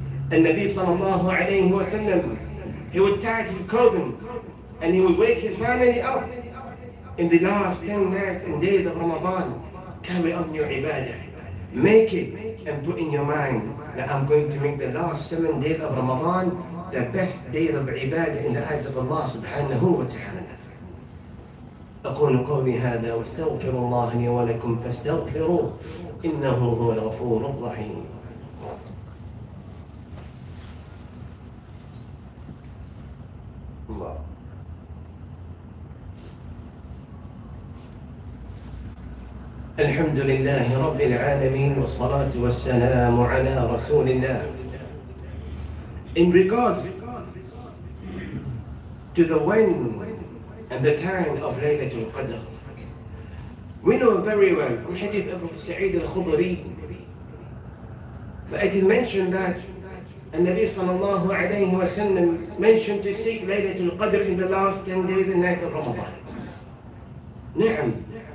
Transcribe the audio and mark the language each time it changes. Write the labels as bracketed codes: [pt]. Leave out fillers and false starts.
[en] And Nabi sallallahu alayhi wa sallam, he would tie his clothing and he would wake his family up in the last 10 nights and days of Ramadan. carry on your ibadah. Make it and put in your mind that I'm going to make the last 7 days of Ramadan the best day of ibadah in the eyes of Allah subhanahu wa ta'ala. [ar] أقول قومي هذا واستغفر الله لي ولكم فاستغفروه إنه هو الغفور الرحيم. الحمد لله رب العالمين والصلاة والسلام على رسول الله. [en] In regards to the when and the time of Laylatul Qadr, we know very well from Hadith Abu Sa'id al-Khudri that it is mentioned that Nabi sallallahu alayhi wa sallam mentioned to seek Laylatul Qadr in the last 10 days and nights of Ramadan. Na'am.